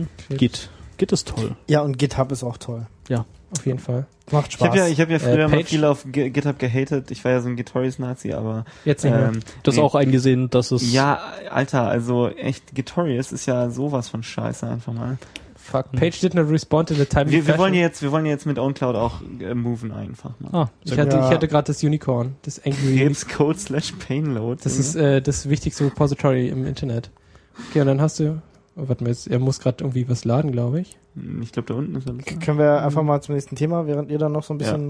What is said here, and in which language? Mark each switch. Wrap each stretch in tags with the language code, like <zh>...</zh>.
<de>Git ist toll. Ja, und GitHub ist auch toll. Ja. Auf jeden Fall. Macht Spaß. Ich hab ja früher mal viel auf GitHub gehatet. Ich war ja so ein Gitorius-Nazi, aber... Jetzt nicht mehr. Du hast auch eingesehen, dass es... Ja, Alter, also echt, Gitorius ist ja sowas von scheiße, einfach mal.</de> <en>Fuck, Page did not respond in a timely fashion.</en> <de>Wir wollen jetzt mit OwnCloud auch moven einfach mal. Ich hatte gerade das Unicorn, das Angry... Krebscode/Painload. Das ist das wichtigste Repository im Internet. Okay, und dann hast du... Oh, warte mal, er muss gerade irgendwie was laden, glaube ich. Ich glaube, da unten ist alles. Können wir einfach mal zum nächsten Thema, während ihr dann noch so ein bisschen</de>